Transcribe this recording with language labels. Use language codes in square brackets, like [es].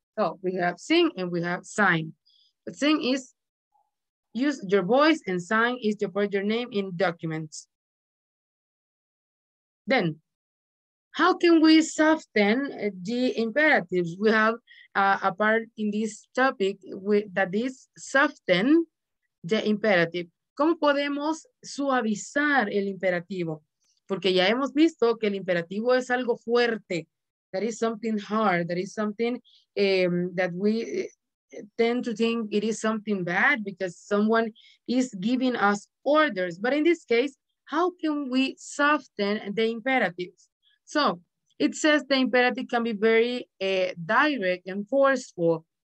[en] So we have sing and we have sign. But sing is use your voice and sign is to put your name in documents. Then, how can we soften the imperatives? We have a part in this topic that is soften the imperative. [es] ¿Cómo podemos suavizar el imperativo? Porque ya hemos visto que el imperativo es algo fuerte. [en] That is something hard. That is something that we tend to think it is something bad because someone is giving us orders. But in this case, how can we soften the imperatives? So it says the imperative can be very direct and forceful.